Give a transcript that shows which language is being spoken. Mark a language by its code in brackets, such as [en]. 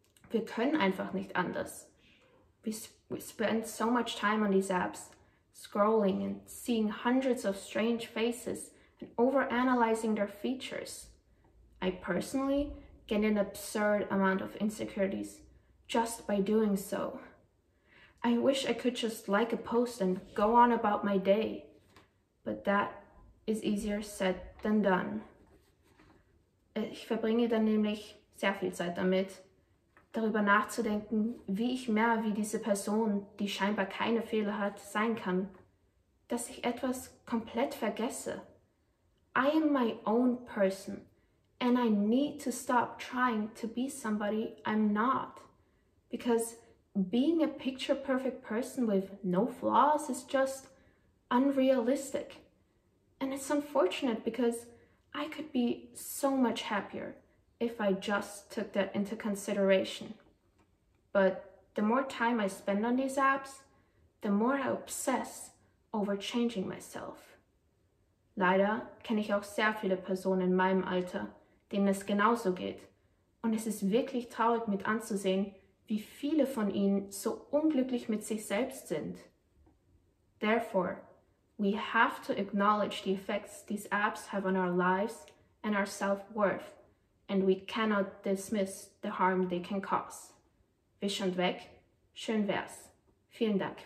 [de] Wir können einfach nicht anders. [en] We spend so much time on these apps, scrolling and seeing hundreds of strange faces and overanalyzing their features. I personally get an absurd amount of insecurities just by doing so. I wish I could just like a post and go on about my day, but that is easier said than done. [de] Ich verbringe dann nämlich sehr viel Zeit damit, darüber nachzudenken, wie ich mehr wie diese Person, die scheinbar keine Fehler hat, sein kann, dass ich etwas komplett vergesse. [en] I am my own person and I need to stop trying to be somebody I'm not. Because being a picture-perfect person with no flaws is just unrealistic. And it's unfortunate because I could be so much happier if I just took that into consideration. But the more time I spend on these apps, the more I obsess over changing myself. [de] Leider kenne ich auch sehr viele Personen in meinem Alter, denen es genauso geht. Und es ist wirklich traurig mit anzusehen, wie viele von ihnen so unglücklich mit sich selbst sind. [en] Therefore, we have to acknowledge the effects these apps have on our lives and our self-worth, and we cannot dismiss the harm they can cause. [de] Wisch und weg, schön wär's. Vielen Dank.